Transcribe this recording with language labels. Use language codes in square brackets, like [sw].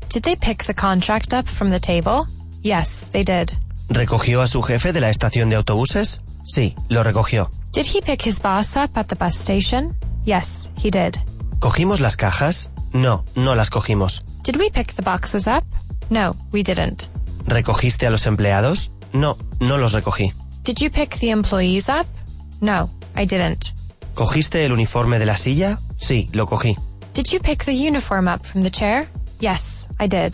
[en] Did they pick the contract up from the table? Yes, they did. [es] ¿Recogió a su jefe de la estación de autobuses? Sí, lo recogió. [en] Did he pick his boss up at the bus station? Yes, he did. [es] ¿Cogimos las cajas? No, no las cogimos. [en] Did we pick the boxes up? No, we didn't. [es] ¿Recogiste a los empleados? No, no los recogí. [en] Did you pick the employees up? No, I didn't. [es] ¿Cogiste el uniforme de la silla? Sí, lo cogí. [en] Did you pick the uniform up from the chair? Yes, I did.